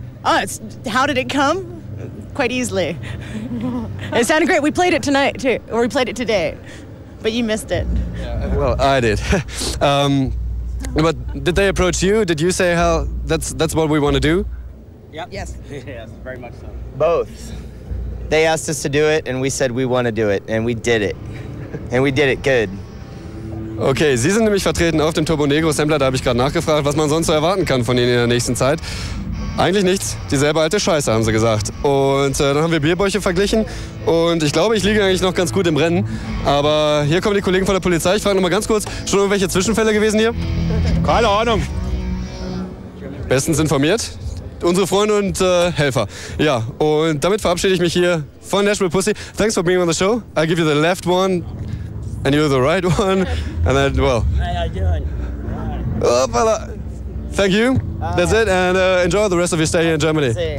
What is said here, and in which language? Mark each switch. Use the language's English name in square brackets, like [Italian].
[English] Oh, it's, how did it come? Quite easily. It sounded great. We played it tonight, too. Or we played it today. But you missed it. Yeah, well, I did. but did they approach you? Did you say, "Hell, that's what we want to do"? Yep. Yes. Yes, very much so. Both. They asked us to do it, and we said we want to do it. And we did it. And we did it good. [German] Okay, Sie sind nämlich vertreten auf dem Turbo Negro Sampler. Da habe ich gerade nachgefragt, was man sonst so erwarten kann von Ihnen in der nächsten Zeit. Eigentlich nichts. Dieselbe alte Scheiße, haben Sie gesagt. Und dann haben wir Bierbäuche verglichen. Und ich glaube, ich liege eigentlich noch ganz gut im Rennen. Aber hier kommen die Kollegen von der Polizei. Ich frage nochmal ganz kurz, schon irgendwelche Zwischenfälle gewesen hier? Keine Ahnung. Bestens informiert. Unsere Freunde und Helfer. Ja, und damit verabschiede ich mich hier von Nashville Pussy. [English] Thanks for being on the show. I give you the left one. And you're the right one, and then, well. How you doing? All right. Thank you. That's it, and enjoy the rest of your stay here in Germany.